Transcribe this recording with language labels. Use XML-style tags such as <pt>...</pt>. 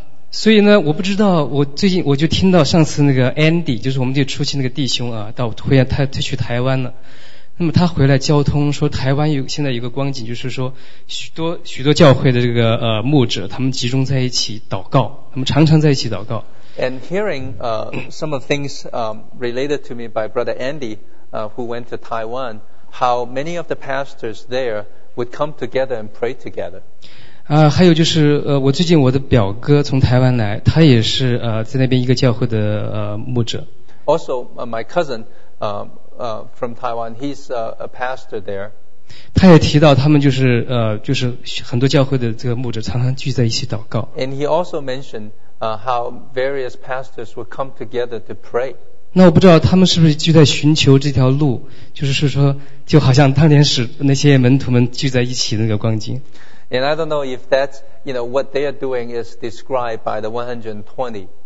<zh>所以呢，我不知道，我最近我就听到上次那个 Andy， 就是我们这初期那个弟兄啊，到回来他去台湾了。那么他回来交通说，台湾有现在有个光景，就是说许多许多教会的这个牧者，他们集中在一起祷告，他们常常在一起祷告。</zh> <en>And hearing some of things related to me by Brother Andy, who went to Taiwan, how many of the pastors there would come together and pray together.</en> <zh>还有就是我最近我的表哥从台湾来，他也是在那边一个教会的牧者。</zh> <en>Also, my cousin from Taiwan, he's a pastor there.</en> <zh>他也提到他们就是就是很多教会的这个牧者常常聚在一起祷告。</zh> <en>And he also mentioned how various pastors would come together to pray.</en> <zh>那我不知道他们是不是就在寻求这条路，就是说就好像当年使那些门徒们聚在一起的那个光景。</zh> <en>And I don't know if that's, you know, what they are doing is described by the 120.</en>